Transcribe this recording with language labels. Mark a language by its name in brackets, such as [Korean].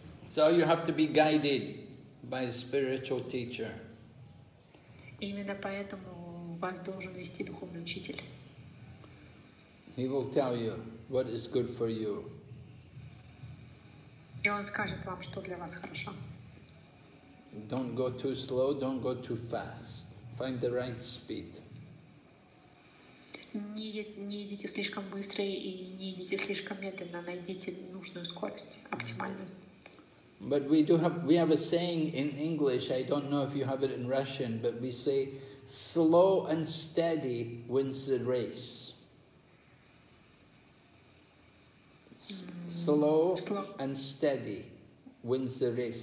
[English] So you have to be guided by a spiritual teacher. [Russian] Именно поэтому вас должен вести духовный учитель. [English] He will tell you what is good for you. [Russian] И он скажет вам, что для вас хорошо. [English] Don't go too slow, don't go too fast. Find the right speed. [Russian] Не идите слишком быстро и не идите слишком медленно, найдите нужную скорость, оптимальную. [English] But we have a saying in English, I don't know if you have it in Russian, but we say slow and steady wins the race. Slow and steady wins the race.